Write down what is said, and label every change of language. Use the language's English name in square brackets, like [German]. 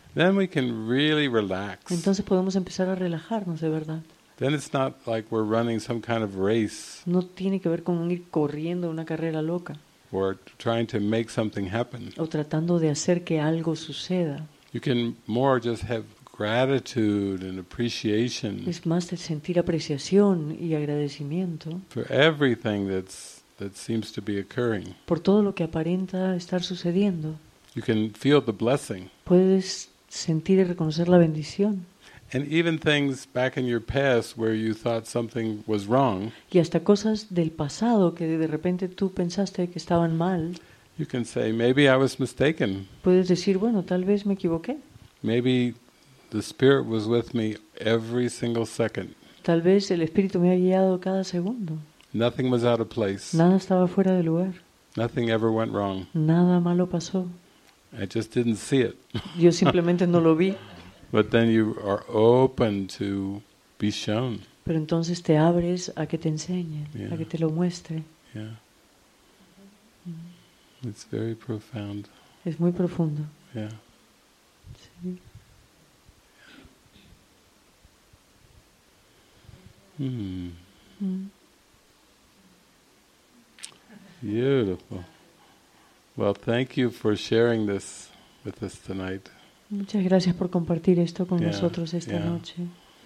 [English] Then we can really relax. [Spanish] Entonces podemos empezar a relajarnos de verdad. [English] Then it's not like we're running some kind of race. [Spanish] No tiene que ver con ir corriendo una carrera loca. [English] Or trying to make something happen. [Spanish] O tratando de hacer que algo suceda. [English] You can more just have gratitude and appreciation. [Spanish] Es más de sentir apreciación y agradecimiento. [English] For everything that seems to be occurring. [Spanish] Por todo lo que aparenta estar sucediendo. [English] You can feel the blessing. [Spanish] Puedes sentir y reconocer la bendición. [English] And even things back in your past where you thought something was wrong. [Spanish] Y hasta cosas del pasado que de repente tú pensaste que estaban mal. [English] You can say maybe I was mistaken. [Spanish] Puedes decir, bueno, tal vez me equivoqué. [English] Maybe the Spirit was with me every single second. [Spanish] Tal vez el Espíritu me ha guiado cada segundo. [English] Nothing was out of place. [Spanish] Nada estaba fuera de lugar. [English] Nothing ever went wrong. [Spanish] Nada malo pasó. [English] I just didn't see it. [Spanish] Yo simplemente no lo vi. [English] But then you are open to be shown. [Spanish] Pero entonces te abres a que te enseñen, [English] yeah, [Spanish] a que te lo muestre. [English] Yeah. It's very profound. [Spanish] Es muy profundo. [English] Yeah. Beautiful. Well, thank you for sharing this with us tonight. [Spanish] Muchas gracias por compartir esto con, [English] yeah, [Spanish] nosotros esta, [English] yeah, [Spanish] noche.